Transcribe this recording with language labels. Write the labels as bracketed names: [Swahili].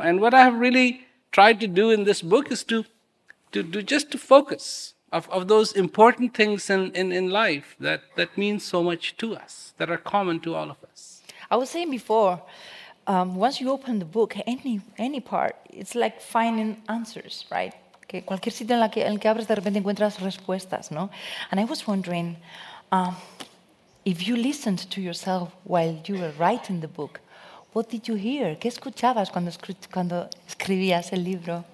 [English] And what I have really tried to do in this book is to focus of those important things in life that mean so much to us, that are common to all of us. I was saying before, once you open the book, any part, it's like finding answers, right? [Spanish] Que cualquier sitio en el que abres, de repente encuentras respuestas, ¿no? [English] And I was wondering, if you listened to yourself while you were writing the book, what did you hear? [Spanish] ¿Qué escuchabas cuando escribías el libro?